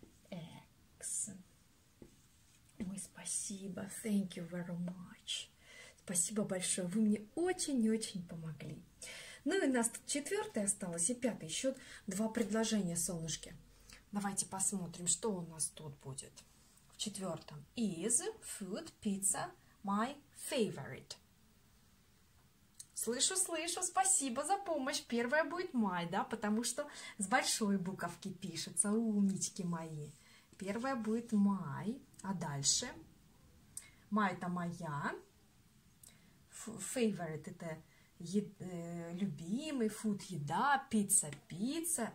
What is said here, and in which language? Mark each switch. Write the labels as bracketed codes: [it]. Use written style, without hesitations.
[en] Eggs. [ru] Ой, спасибо. [en] Thank you very much. [ru] Спасибо большое. Вы мне очень-очень помогли. Ну и у нас тут четвертое осталось и пятый. Еще два предложения, солнышки. Давайте посмотрим, что у нас тут будет. В четвертом. [en] Is food, pizza, my favorite. [ru] Слышу, слышу, спасибо за помощь. Первая будет my, да, потому что с большой буковки пишется, умнички мои. Первая будет my, а дальше? My — это моя. Favorite — это любимый, food — еда, pizza — пицца.